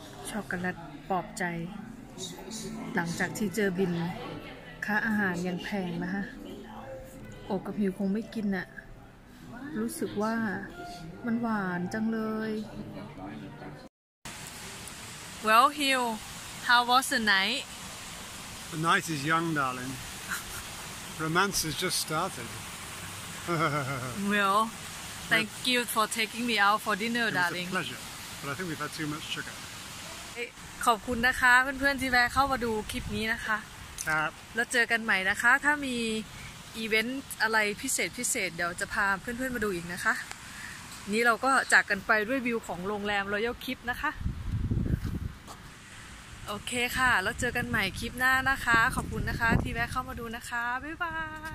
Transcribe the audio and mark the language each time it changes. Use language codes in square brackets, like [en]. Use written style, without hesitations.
[th] ช็อกโกแลตปลอบใจหลังจากที่เจอบินค่าอาหารยังแพงนะฮะอกกับหิวคงไม่กินน่ะรู้สึกว่ามันหวานจังเลย [en] Well, Hill, how was the night? The night is young, darling. Romance has just started. Well, thank you for taking me out for dinner, darling. It was a pleasure, but I think we've had too much sugar. [th] ขอบคุณนะคะเพื่อนๆที่แวะเข้ามาดูคลิปนี้นะคะ ครับ แล้วเจอกันใหม่นะคะถ้ามีอีเวนต์อะไรพิเศษเดี๋ยวจะพาเพื่อนๆมาดูอีกนะคะนี้เราก็จากกันไปด้วยวิวของโรงแรม Royal Clip นะคะโอเคค่ะแล้วเจอกันใหม่คลิปหน้านะคะขอบคุณนะคะที่แวะเข้ามาดูนะคะบ๊ายบาย